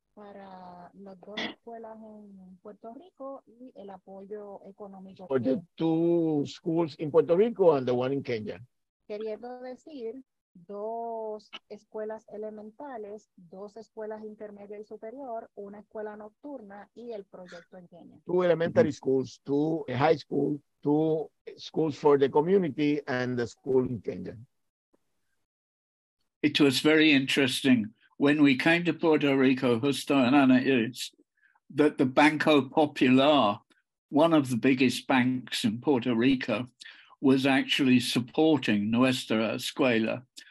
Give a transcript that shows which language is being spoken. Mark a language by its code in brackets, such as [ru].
[es] Para las dos escuelas en Puerto Rico y el apoyo económico. [en] For the two schools in Puerto Rico and the one in Kenya. [es] Queriendo decir, dos escuelas elementales, dos escuelas intermedia y superior, una escuela nocturna y el proyecto en Kenya. [en] Two elementary schools, two high school, two schools for the community and the school in Kenya. It was very interesting when we came to Puerto Rico, Justo and Ana Yris, that the Banco Popular, one of the biggest banks in Puerto Rico, was actually supporting Nuestra Escuela.